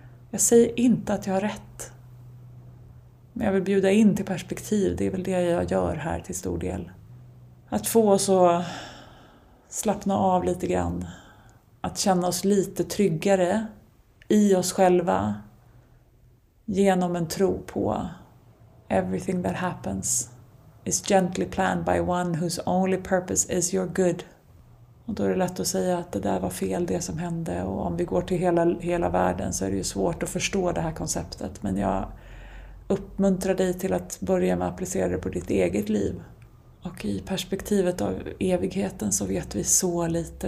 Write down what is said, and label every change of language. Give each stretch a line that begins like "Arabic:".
Swedish: Jag säger inte att jag har rätt. Men jag vill bjuda in till perspektiv, det är väl det jag gör här till stor del. Att få oss att slappna av lite grann. Att känna oss lite tryggare i oss själva. Genom en tro på
English: everything that happens is gently planned by one whose only purpose is your good.
Swedish: Och då är det lätt att säga att det där var fel, det som hände. Och om vi går till hela världen så är det ju svårt att förstå det här konceptet. Men jag uppmuntrar dig till att börja med att applicera det på ditt eget liv. Och i perspektivet av evigheten så vet vi så lite.